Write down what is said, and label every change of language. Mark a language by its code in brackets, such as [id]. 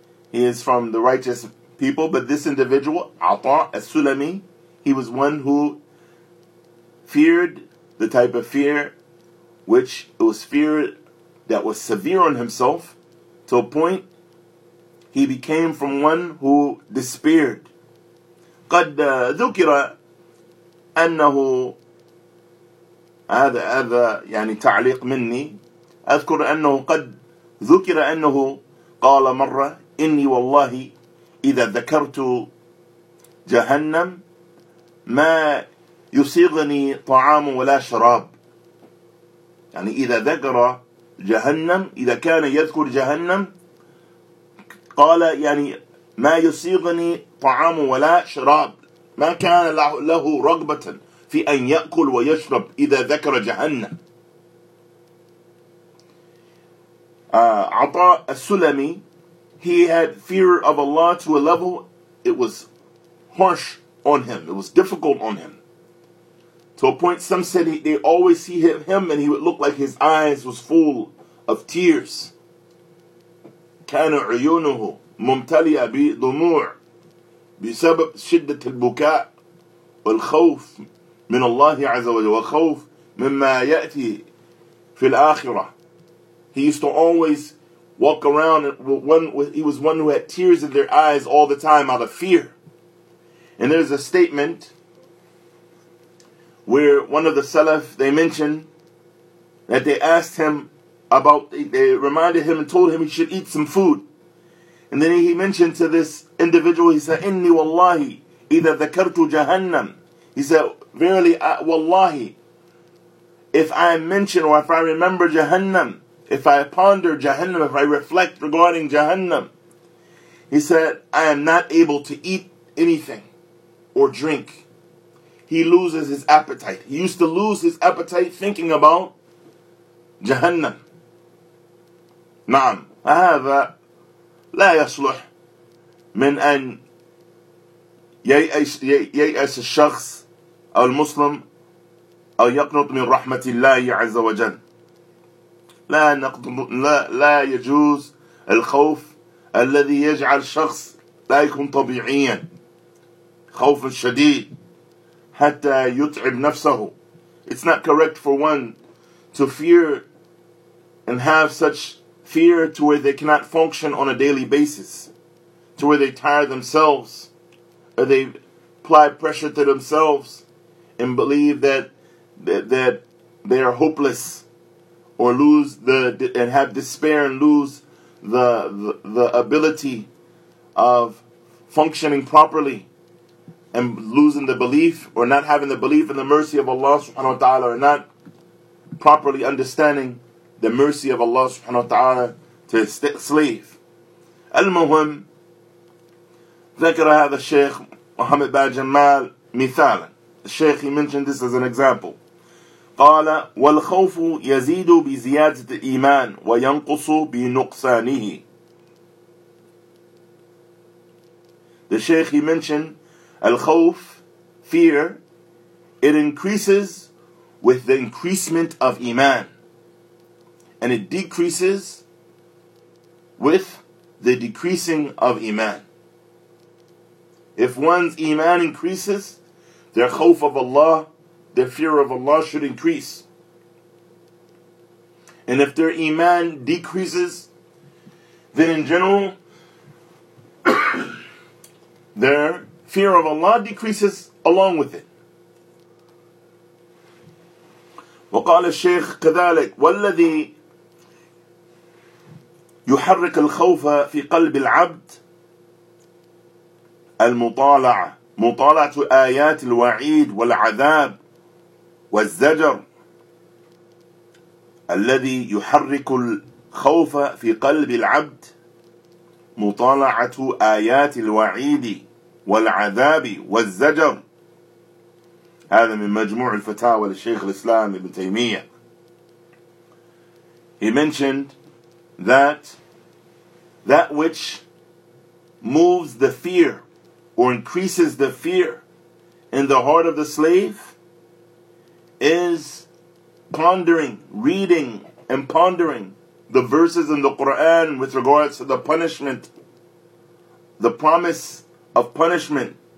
[en] He is from the righteous people, but this individual, Ata al-Sulami, he was one who feared the type of fear which it was fear that was severe on himself to a point he became from one who despaired. [ar] قد ذكر أنه هذا يعني تعليق مني أذكر أنه قد ذكر أنه قال مرة إني والله إذا ذكرت جهنم ما يصيغني طعام ولا شراب. يعني إذا ذكر جهنم, إذا كان يذكر جهنم قال يعني ما يصيغني طعام ولا شراب, ما كان له رغبة في أن يأكل ويشرب إذا ذكر جهنم. [en] عطاء السلمي, he had fear of Allah to a level it was harsh on him, it was difficult on him, to a point some said they always see him and he would look like his eyes was full of tears. [ar] كان عيونه ممتلية بدموع بسبب شدة البكاء والخوف من الله عز وجل وخوف مما يأتي في الآخرة. [en] He used to always walk around he was one who had tears in their eyes all the time out of fear. And there's a statement where one of the Salaf, they mentioned that they asked him about, they reminded him and told him he should eat some food. And then he mentioned to this individual, he said, [ar] إِنِّي وَاللَّهِ إِذَا ذَكَرْتُ جَهَنَّمْ. [en] He said, verily, wallahi, if I mention or if I remember Jahannam, if I ponder Jahannam, if I reflect regarding Jahannam, he said, I am not able to eat anything or drink. He loses his appetite. He used to lose his appetite thinking about Jahannam. [ar] Naam. هذا لا يصلح من أن ييأس الشخص أو المسلم أو يقنط من رحمة الله عز وجل. لا يجوز الخوف الذي يجعل شخص لا يكون طبيعيا خوف شديد حتى يتعب نفسه. [en] It's not correct for one to fear and have such fear to where they cannot function on a daily basis, to where they tire themselves, or they apply pressure to themselves and believe that they are hopeless, or lose and have despair and lose the ability of functioning properly, and losing the belief or not having the belief in the mercy of Allah subhanahu wa ta'ala, or not properly understanding the mercy of Allah subhanahu wa ta'ala to his slave. [ar] Al-Muhim, ذكر هذا الشيخ محمد بن جمال مثالا. [en] الشيخ, he mentioned this as an example. [ar] قال والخوف يزيد بزيادة الإيمان وينقص بنقصانه. [en] The Shaykh, he mentioned, Al-Khawf, fear, it increases with the increasement of Iman. And it decreases with the decreasing of Iman. If one's Iman increases, their khawf of Allah, their fear of Allah should increase. And if their Iman decreases, then in general, their fear of Allah decreases along with it. [ar] وقال الشيخ كذلك والذي يحرك الخوف في قلب العبد المطالعة مطالعة آيات الوعيد والعذاب والزجر الذي يحرك الخوف في قلب العبد مطالعة آيات الوعيد والعذاب والزجر. هذا من مجموع الفتاوى للشيخ الإسلام ابن تيمية. [en] He mentioned that which moves the fear or increases the fear in the heart of the slave is pondering, reading and pondering the verses in the Quran with regards to the punishment, the promise of punishment,